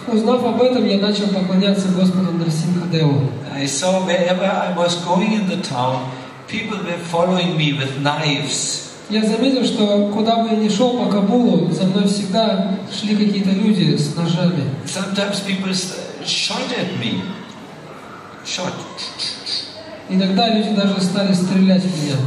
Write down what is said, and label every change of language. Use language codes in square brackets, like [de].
[ru] Узнав об этом, я начал поклоняться Господу Нрисимхадеву. [en] I saw wherever I was going in the town. People were following me with knives. [ru] Я заметил, что куда бы я ни шел по Кабулу, за мной всегда шли какие-то люди с ножами. [en] Sometimes people shot at me. Shot. [ru] Иногда люди даже стали стрелять в меня.